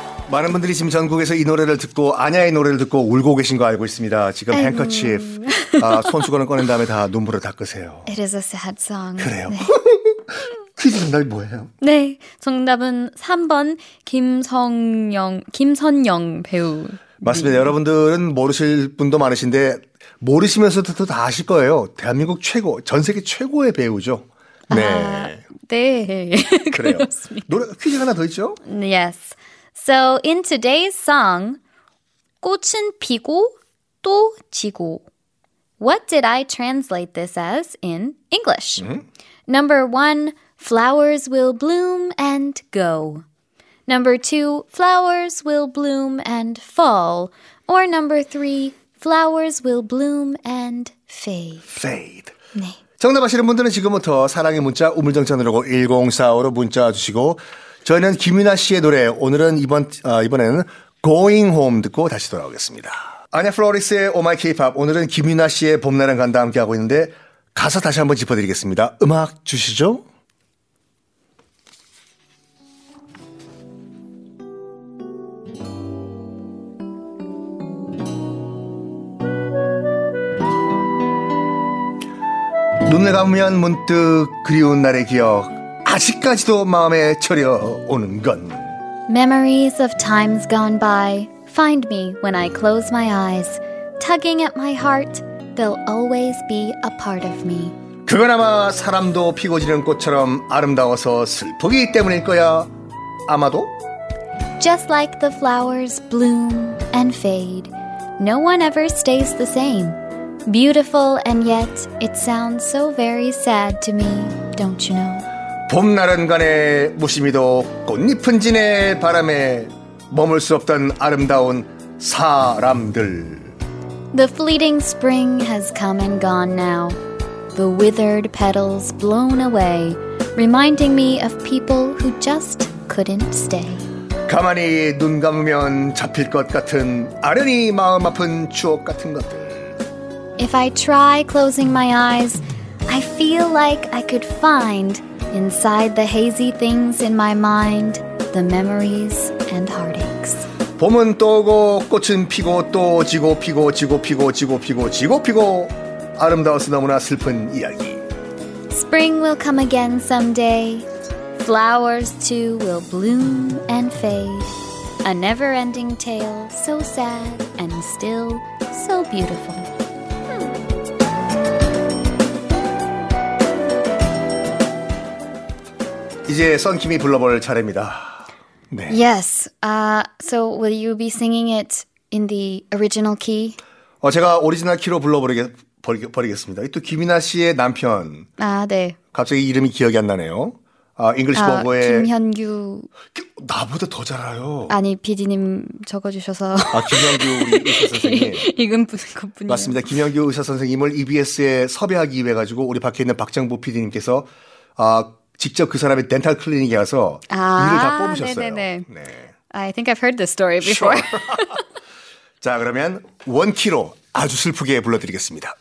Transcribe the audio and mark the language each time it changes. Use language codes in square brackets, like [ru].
[en] Many people in the world have heard this song. [ko] 아냐의 노래를 듣고 울고 계신 거 알고 있습니다. 지금 handkerchief, 손수건을 꺼낸 다음에 다 눈물을 닦으세요. [en] It is a sad song. [ko] 그래요. 네. 퀴즈 정답이 뭐예요? 네, 정답은 3번 김선영 배우. 맞습니다. 여러분들은 모르실 분도 많으신데 모르시면서도 다 아실 거예요. 대한민국 최고, 전 세계 최고의 배우죠. 네. 아, 네. 그래요. 노래 퀴즈 하나 더 있죠? [en] Yes. So in today's song, [ko] 꽃은 피고 또 지고. [en] What did I translate this as in English? Mm-hmm. Number one, flowers will bloom and go. Number two, flowers will bloom and fall. Or number three, flowers will bloom and fade. [ko] 네. 정답하시는 분들은 지금부터 사랑의 문자 우물정찬으로 1045로 문자 주시고 저희는 김윤아 씨의 노래, 오늘은 이번에는 Going Home 듣고 다시 돌아오겠습니다. 아냐 플로리스의 Oh My K-POP, 오늘은 김윤아 씨의 봄날은 간다 함께하고 있는데 가사 다시 한번 짚어드리겠습니다. 음악 주시죠. 눈을 감으면 문득 그리운 날의 기억, 아직까지도 마음에 저려오는 건. [en] Memories of times gone by find me when I close my eyes. Tugging at my heart, they'll always be a part of me. [ko] 그건 아마 사람도 피고 지는 꽃처럼 아름다워서 슬프기 때문일 거야. 아마도. [en] Just like the flowers bloom and fade, no one ever stays the same. Beautiful and yet it sounds so very sad to me, don't you know? [ko] 봄날은 간에 무심히도 꽃잎은 지네 바람에 머물 수 없던 아름다운 사람들. [en] The fleeting spring has come and gone now. The withered petals blown away, reminding me of people who just couldn't stay. [ko] 가만히 눈 감으면 잡힐 것 같은 아련히 마음 아픈 추억 같은 것들. [en] If I try closing my eyes, I feel like I could find inside the hazy things in my mind, the memories and heartaches. [ko] 봄은 또 오고 꽃은 피고 또 지고 피고 지고 피고 지고 피고 지고 피고 아름다워서 너무나 슬픈 이야기. [en] Spring will come again someday. Flowers too will bloom and fade. A never-ending tale so sad and still so beautiful. [ko] 이제 선킴이 불러볼 차례입니다. [en] 네. Yes. So will you be singing it in the original key? [ko] 제가 오리지널 키로 불러버리겠습니다. 또 김윤아 씨의 남편. 아, 네. 갑자기 이름이 기억이 안 나네요. 잉글리시 버거의 김현규. 나보다 더 잘 알아요. 아니, PD님 적어주셔서. 아, 김현규 의사선생님. 이건 뿐이에요. 맞습니다. 김현규 의사선생님을 EBS에 섭외하기 위해 가지고 우리 밖에 있는 박정부 PD님께서 직접 그 사람의 덴탈 클리닉에 가서 일을 다 뽑으셨어요. [en] 네. I think I've heard this story before. Sure. [ko] 자, 그러면 원키로 아주 슬프게 불러드리겠습니다.